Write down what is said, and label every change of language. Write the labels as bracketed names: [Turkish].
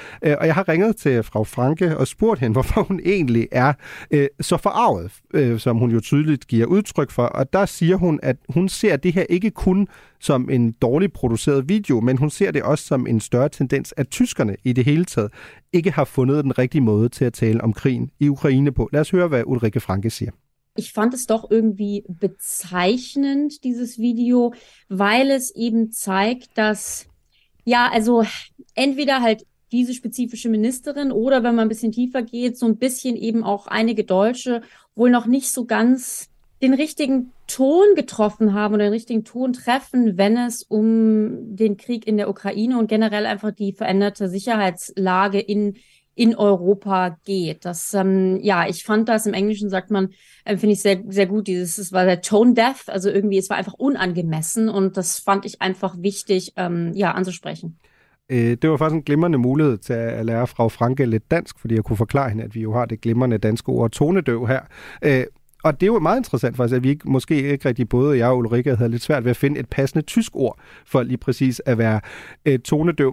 [Danish] Og jeg har ringet til Frau Franke og spurgt hende, hvorfor hun egentlig er så forarvet, som hun jo tydeligt giver udtryk for. Og der siger hun, at hun ser det her ikke kun som en dårligt produceret video, men hun ser det også som en større tendens, at tyskerne i det hele taget ikke har fundet den rigtige måde til at tale om krigen i Ukraine på. Lad os høre, hvad Ulrike Franke siger. [German] Ich fand es doch irgendwie bezeichnend, dieses Video, weil es eben zeigt, dass, ja, also entweder halt diese spezifische Ministerin oder, wenn man ein bisschen tiefer geht, so ein bisschen eben auch einige Deutsche wohl noch nicht so ganz den richtigen Ton getroffen haben oder den richtigen Ton treffen, wenn es um den Krieg in der Ukraine und generell einfach die veränderte Sicherheitslage in Europa geht. Das, ja, ich fand das, im Englischen sagt man, finde ich sehr, sehr gut, es war sehr tone deaf, also irgendwie, es war einfach unangemessen, und das fand ich einfach wichtig, ja, anzusprechen. [Danish] Det var faktisk en glimrende mulighed til at lære Frau Franke lidt dansk, fordi jeg kunne forklare hende, at vi jo har det glimrende danske ord tonedøv her. Og det er jo meget interessant faktisk, at vi ikke, måske ikke rigtig både jeg og Ulrika havde lidt svært ved at finde et passende tysk ord for lige præcis at være tonedøv.